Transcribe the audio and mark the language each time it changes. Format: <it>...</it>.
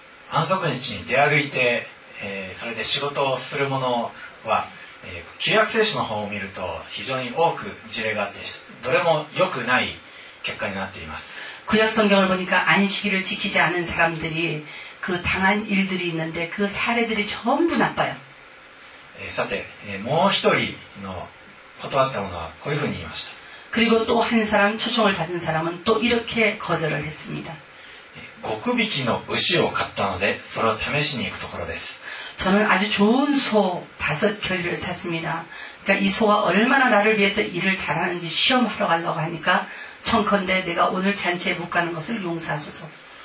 <ko>안속은지대학을이때</ko> <ja>それで仕事をする者は旧約聖書の方を見ると非常に多く事例があってどれも良くない結果になっています</ja> <ko>구약성경을보니까안식일을지키지않은사람들이그당한일들이있는데그사례들이전부나빠요</ko> <ja>さてもう一人の断った者はこういうふうに言いました</ja> <ko>그리고또한사람초청을받은사람은또이렇게거절을했습니다</ko> <ja>5匹の牛を買ったのでそれを試しに行くところです</ja> <ko>저는아주좋은소5결을샀습니다그러니까이소가얼마나나를위해서일을잘하는지시험하러가려고하니까청컨대내가오늘잔치에못가는것을용서하소서</ko>